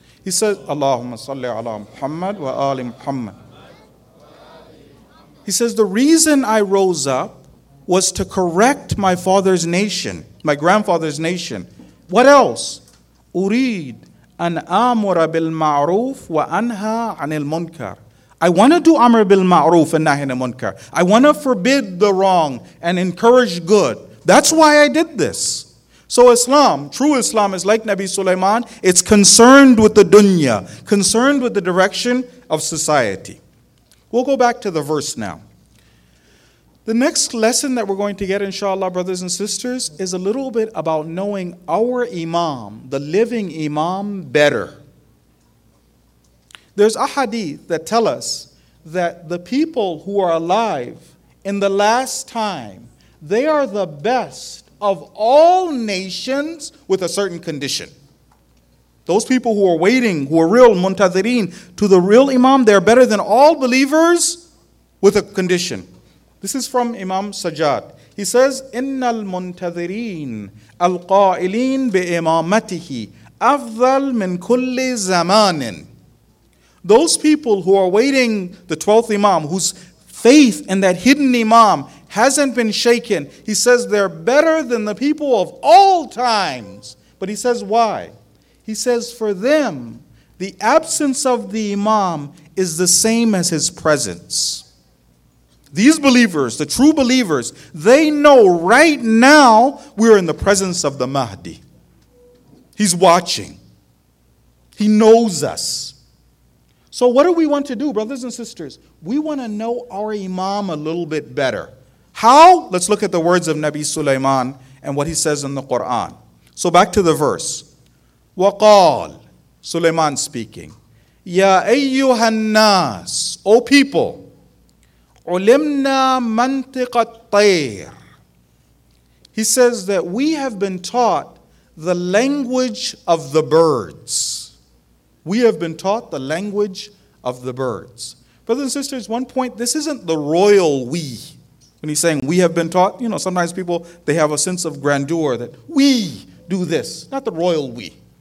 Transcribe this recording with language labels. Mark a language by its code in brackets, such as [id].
[en] He says, [ar] اللهم صل على محمد وآل محمد. [en] He says, the reason I rose up was to correct my father's nation, my grandfather's nation. What else? [ar] أريد أن أمر بالمعروف وأنهى عن المنكر. [en] I want to do [ar] أمر بالمعروف [en] and [ar] نهي عن المنكر. [en] I want to forbid the wrong and encourage good. That's why I did this. So Islam, true Islam, is like Nabi Sulaiman. It's concerned with the dunya, concerned with the direction of society. We'll go back to the verse now. The next lesson that we're going to get, inshallah, brothers and sisters, is a little bit about knowing our imam, the living imam, better. There's a hadith that tell us that the people who are alive in the last time, they are the best of all nations with a certain condition. Those people who are waiting, who are real, muntazirin, to the real imam, they're better than all believers with a condition. This is from Imam Sajjad. He says, [ar] إِنَّ الْمُنْتَذِرِينَ الْقَائِلِينَ بِإِمَامَتِهِ أَفْضَلْ مِنْ كُلِّ زَمَانٍ. [en] Those people who are waiting the 12th Imam, whose faith in that hidden Imam hasn't been shaken, he says they're better than the people of all times. But he says why? He says for them, the absence of the Imam is the same as his presence. These believers, the true believers, they know right now we're in the presence of the Mahdi. He's watching. He knows us. So what do we want to do, brothers and sisters? We want to know our Imam a little bit better. How? Let's look at the words of Nabi Sulaiman and what he says in the Quran. So back to the verse. [ar] وقال, [en] Sulaiman speaking, [ar] يَا أَيُّهَا النَّاسِ, [en] O people, [ar] عُلِمْنَا مَنْتِقَ الطَّيْرِ. [en] He says that we have been taught the language of the birds. We have been taught the language of the birds. Brothers and sisters, one point, this isn't the royal we. When he's saying we have been taught, you know, sometimes people, they have a sense of grandeur that we do this, not the royal we.